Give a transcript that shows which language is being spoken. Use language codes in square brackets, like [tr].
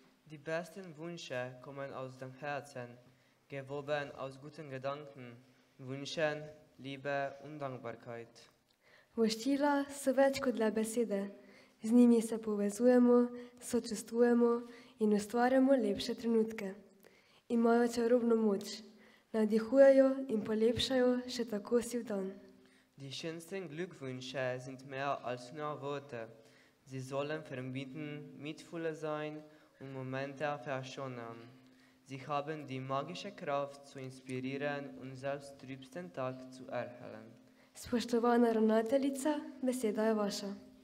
[de] Die besten Wünsche kommen aus dem Herzen, gewoben aus guten Gedanken, Wünschen, Liebe und Dankbarkeit. [sl] Voščila so več kot le besede. Z njimi se povezujemo, sočustvujemo in ustvarjamo lepše trenutke. Imajo čarobno moč. Nadihujejo in polepšajo še tako siv dan. [de] Die schönsten Glückwünsche sind mehr als nur Worte. Sie sollen vermitteln, mitfühlen sein und Momente verschonen. Sie haben die magische Kraft zu inspirieren und selbst trübsten Tag zu erhellen. [sl] Spoštovana ravnateljica, beseda je vaša.